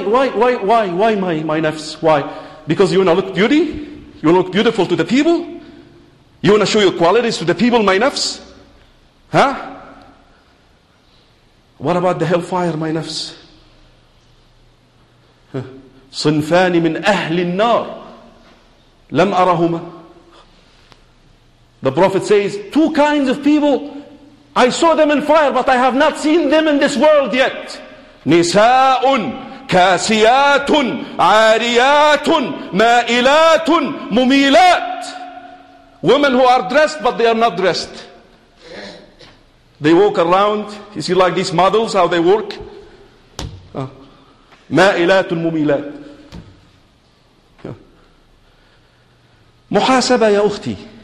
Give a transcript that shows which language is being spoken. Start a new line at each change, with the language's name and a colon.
English: Why my nafs? Why? Because you want to look beauty? You want to look beautiful to the people? You want to show your qualities to the people, my nafs? Huh? What about the hellfire, my nafs?
Arabic: صنفان من أهل النار لم أرهما.
English: The Prophet says, two kinds of people, I saw them in fire, but I have not seen them in this world yet.
Arabic: نساء كاسيات عاريات مائلات مميلات.
English: Women who are dressed, but they are not dressed. They walk around. You see like these models, how they walk.
Arabic: مائلات مميلات. محاسبة يا أختي.